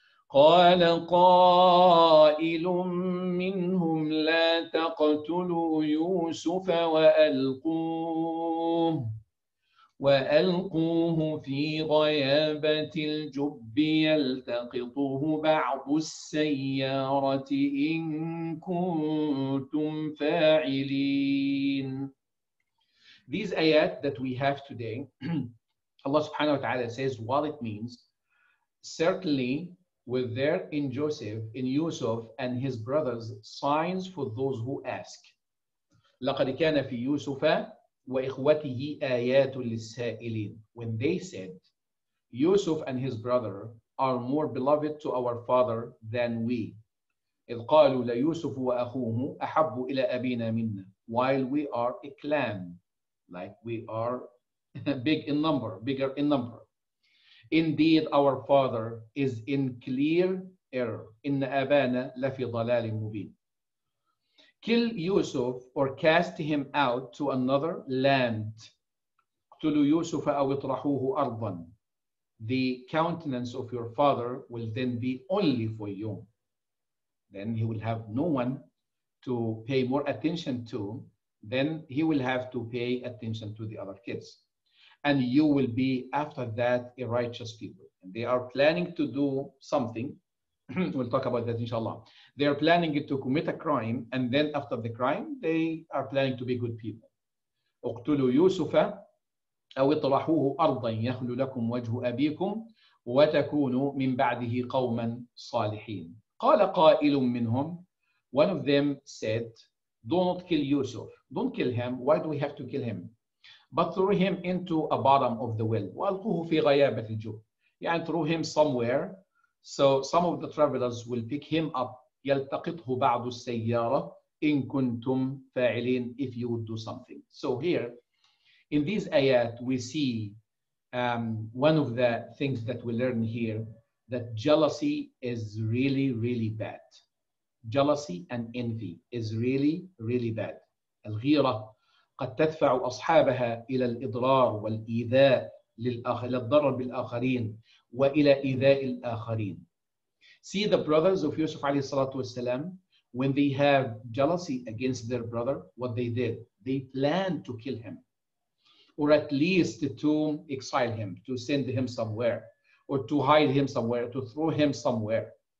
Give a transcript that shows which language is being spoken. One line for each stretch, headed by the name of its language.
Arabic: قال قائل منهم لا تقتلوا يوسف وألقوه في غيابة الجب يلتقطه بعض السيارة إن كنتم فاعلين.
English: These ayat that we have today, Allah subhanahu wa ta'ala says what it means. Certainly, were there in Joseph, in Yusuf and his brothers, signs for those who ask.
Arabic: لَقَدْ كَانَ فِي يُوسُفَ وَإِخْوَتِهِ آيَاتٌ لِلسَّائِلِينَ.
English: When they said, Yusuf and his brother are more beloved to our father than we.
Arabic: إِذْ قَالُوا لَيُوسُفُ وَأَخُوهُ أَحَبُّ إِلَىٰ أَبِينَا مِنَّا.
English: While we are a clan, like we are bigger in number. Indeed, our father is in clear error.
Arabic: إِنَّ أَبَانَا لَفِي ضَلَالٍ مُبِينٍ.
English: Kill Yusuf or cast him out to another land.
Arabic: اقتلوا يوسف أو اطرحوه أرضا.
English: The countenance of your father will then be only for you. Then he will have no one to pay more attention to. Then he will have to pay attention to the other kids. And you will be after that a righteous people. And they are planning to do something. We'll talk about that inshallah. They are planning to commit a crime, and then after the crime, they are planning to be good people.
Arabic: اقتلوا يوسف أو اطرحوه أرضا يخل لكم وجه أبيكم وتكونوا من بعده قوما صالحين. قال قائل منهم,
English: one of them said, don't kill Yusuf. Don't kill him. Why do we have to kill him? But throw him into a bottom of the well.
Arabic: وألقوه في غيابة الجب. يعني
English: throw him somewhere. So some of the travelers will pick him up.
Arabic: يلتقطه بعض السيارة إن كنتم فاعلين,
English: if you would do something. So here, in these ayat, we see one of the things that we learn here, that jealousy is really, really bad. Jealousy and envy is really, really bad.
Arabic: الغيرة قد تدفع أصحابها إلى الإضرار والإيذاء للضرر بالآخرين وإلى إيذاء الآخرين.
English: See the brothers of Yusuf عليه الصلاة والسلام, when they have jealousy against their brother, what they did, they planned to kill him, or at least to exile him, to send him somewhere, or to hide him somewhere, to throw him somewhere.